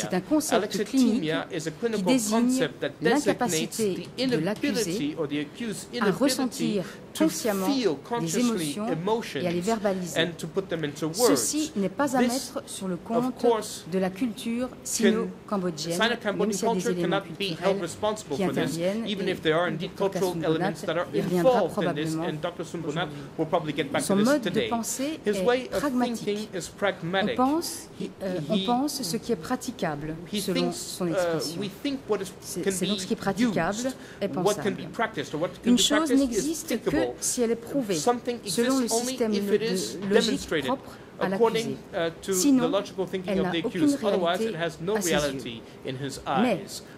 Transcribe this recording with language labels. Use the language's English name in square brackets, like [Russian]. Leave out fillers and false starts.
[French] C'est un concept clinique qui désigne l'incapacité de l'accusé à ressentir consciemment des émotions et à les verbaliser. Ceci n'est pas à mettre sur le compte de la culture sino-cambodgienne, même s'il y a des éléments culturels qui interviennent et, en tant qu'astronaute, il reviendra probablement. [English] this, and Dr. Sumbunat will probably get back to this today. His way of thinking is pragmatic. [French] On pense ce qui est praticable, selon son expression. C'est donc ce qui est praticable et pensable. Une chose n'existe que si elle est prouvée, selon le système de logique propre. [English] According to the logical thinking of the accused, otherwise it has no reality in his eyes.